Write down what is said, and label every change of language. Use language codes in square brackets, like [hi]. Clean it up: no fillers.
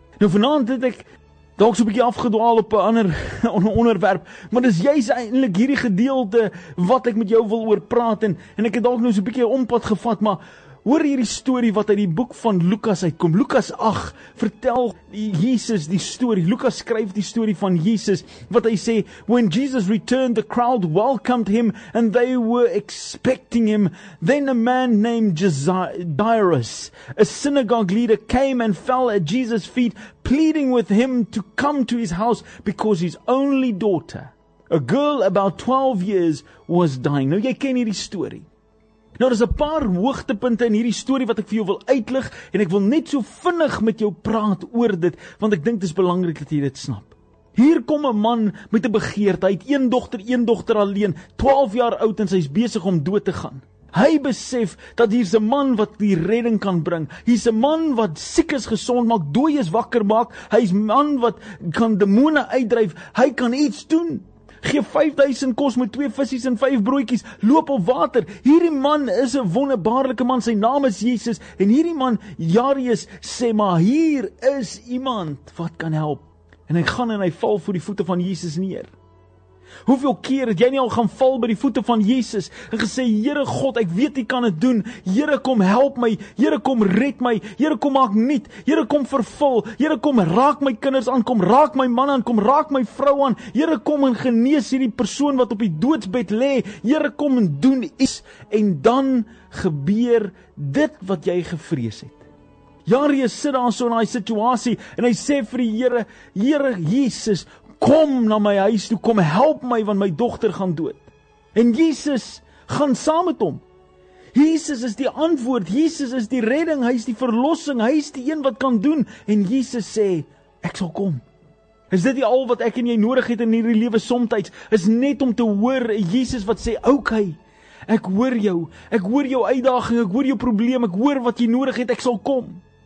[af] Nou vanaand het ek dalk so 'n bietjie afgedwaal op 'n ander onderwerp, maar dis juist eintlik hierdie gedeelte wat ek met jou wil oor praat en ek het dalk nou so 'n bietjie ompad gevat, maar hoor hierdie storie wat uit die boek van Lukas uitkom. Lukas 8 vertel Jesus die storie. Lukas skryf die storie van Jesus wat hy sê, [en] when Jesus returned the crowd welcomed him and they were expecting him. Then a man named Jairus, a synagogue leader, came and fell at Jesus' feet pleading with him to come to his house because his only daughter, a girl about 12 years, was dying. [af] Nou jy ken hierdie storie. Nou, daar is 'n paar hoogtepunte in hierdie storie wat ek vir jou wil uitlig en ek wil net so vinnig met jou praat oor dit, want ek dink dit is belangrik dat jy dit snap. Hier kom 'n man met 'n begeerte, hy het een dogter alleen, 12 jaar oud en sy is besig om dood te gaan. Hy besef dat hier's 'n man wat die redding kan bring. Hier's 'n man wat siek is gesond maak, dooi is wakker maak, hy's 'n man wat kan demone uitdryf, hy kan iets doen. Geef 5000 kos met 2 visies en 5 broodjies, loop op water. Hierdie man is 'n wonderbaarlike man, sy naam is Jesus. En hierdie man, Jairus, sê maar, hier is iemand wat kan help. En hy gaan en hy val voor die voete van Jesus neer. Hoeveel keer het jy nie al gaan val by die voete van Jesus en gesê, Here God, ek weet U kan dit doen. Here kom help my, Here kom red my, Here kom maak nuut, Here kom vervul, Here kom raak my kinders aan, kom raak my man aan, kom raak my vrou aan, Here kom en genees hierdie persoon wat op die doodsbed lê, Here kom en doen iets en dan gebeur dit wat jy gevrees het. Jairus sit daar so in daai situasie en hy sê vir die Here, Here Jesus, kom na my huis toe, kom help my, want my dogter gaan dood. En Jesus gaan saam met hom. Jesus is die antwoord, Jesus is die redding, hy is die verlossing, hy is die een wat kan doen. En Jesus sê, ek sal kom. Is dit die al wat ek en jy nodig het in hierdie lewe somtyds? Is net om te hoor, Jesus wat sê, okay, ek hoor jou uitdaging, ek hoor jou probleem, ek hoor wat jy nodig het, ek sal kom.